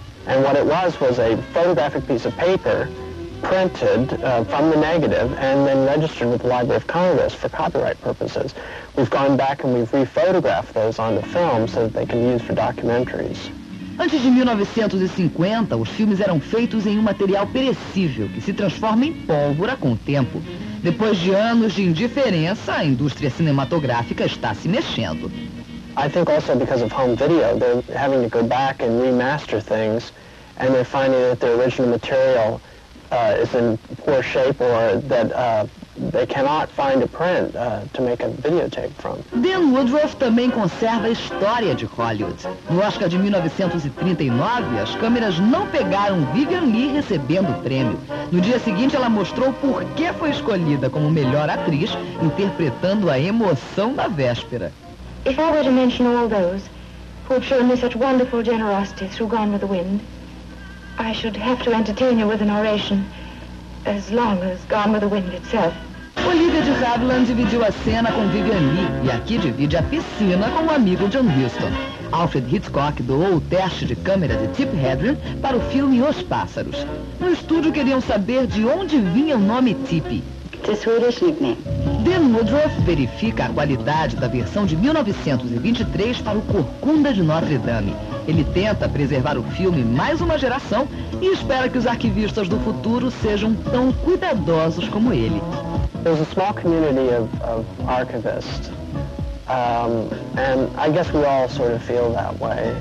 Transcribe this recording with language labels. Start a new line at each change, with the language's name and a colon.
English: And what it was a photographic piece of paper printed from the negative and then registered with the Library of Congress for copyright purposes. We've gone back and we've re-photographed those on the film so that they can be used for documentaries.
Portuguese: Antes de 1950, os filmes eram feitos em um material perecível que se transforma em pólvora com o tempo. Depois de anos de indiferença, a indústria cinematográfica está se mexendo.
English: I think also because of home video, they're having to go back and remaster things, and they're finding that the original material is in poor shape or that they cannot find a print to make a videotape from.
Portuguese: Dan Woodruff também conserva a história de Hollywood. No Oscar de 1939, as câmeras não pegaram Vivian Leigh recebendo o prêmio. No dia seguinte, ela mostrou por que foi escolhida como melhor atriz, interpretando a emoção da véspera.
English: If I were to mention all those who have shown me such wonderful generosity through Gone with the Wind, I should have to entertain you with an oration as long as Gone with the Wind itself.
Portuguese: Olivia de Havilland dividiu a cena com Vivian Leigh e aqui divide a piscina com o amigo John Huston. Alfred Hitchcock doou o teste de câmera de Tip Hedren para o filme Os Pássaros. No estúdio queriam saber de onde vinha o nome Tip.
English: It's a Swedish nickname.
Portuguese: Dan Woodruff verifica a qualidade da versão de 1923 para o Corcunda de Notre Dame. Ele tenta preservar o filme mais uma geração e espera que os arquivistas do futuro sejam tão cuidadosos como ele.
English: There's a small community of archivists. And I guess we all sort of feel that way.